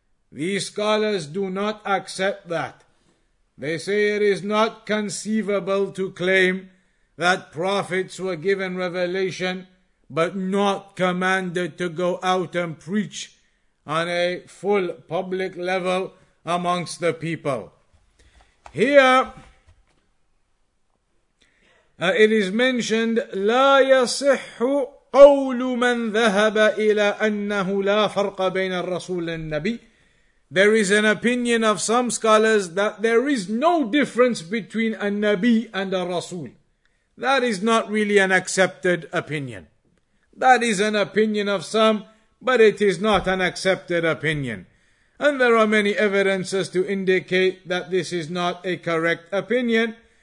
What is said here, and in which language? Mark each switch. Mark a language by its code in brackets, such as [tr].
[en] These scholars do not accept that. They say it is not conceivable to claim that prophets were given revelation but not commanded to go out and preach on a full public level amongst the people. Here, it is mentioned, [ar] لا يصح قول من ذهب إلى أنه لا فرق بين الرسول والنبي. [en] There is an opinion of some scholars that there is no difference between a Nabi and a Rasul. That is not really an accepted opinion. That is an opinion of some, but it is not an accepted opinion. And there are many evidences to indicate that this is not a correct opinion.